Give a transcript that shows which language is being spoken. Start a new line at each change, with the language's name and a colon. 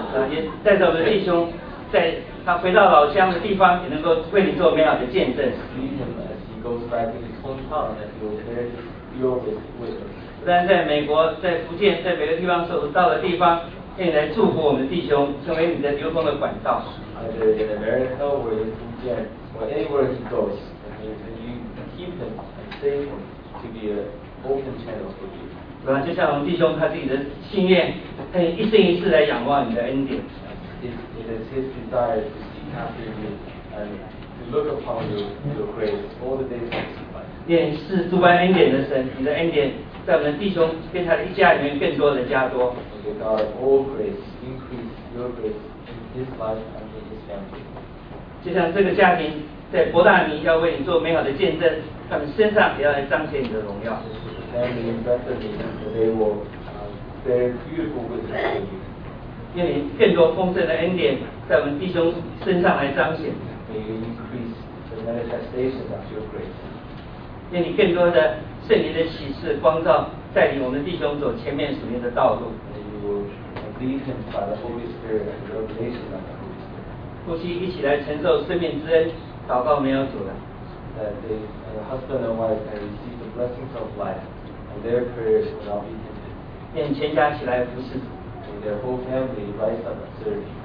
Chinese: 也带着我们的弟兄，在他回到老乡的地方，也能够为你做美好的见证。
English: Goes back to his hometown and he will bear your witness.
Chinese: 不但在美国，在福建，在每个地方所到的地方，愿你来祝福我们弟兄，成为你的流通的管道。
English: Either in America or in 福建 or anywhere he goes, and you keep him and save him to be an open channel for you.
Chinese: 对吧？就像我们弟兄他自己的心愿，他一生一世来仰望你的恩典。
English: It is his desire to seek after you and. Look upon your grace all the days of his life.
Chinese: 愿是诸般恩典的神，你的恩典在我们弟兄跟他的一家里面更多的加多。
English: May God all grace increase your grace in his life and in his family.
Chinese: 就像这个家庭在伯大尼要为你做美好的见证，他们身上也要来彰显你的荣耀。
English: Family in Bethany, they will bear beautiful witness for you.
Chinese: 愿你更多丰盛的恩典在我们弟兄身上来彰显。
English: May you increase the manifestation of your grace.
Chinese: 愿你更多的圣灵的启示光照，带领我们弟兄走前面属灵的道路。
English: May you lead him by the Holy Spirit and the revelation of the Holy Spirit.
Chinese: 夫妻一起来承受生命之恩，祷告没有阻拦。
English: That the husband and wife can receive the blessings of life, and their prayers will not be hindered.
Chinese: 愿全家起来服侍。
English: May their whole family rise up and serve.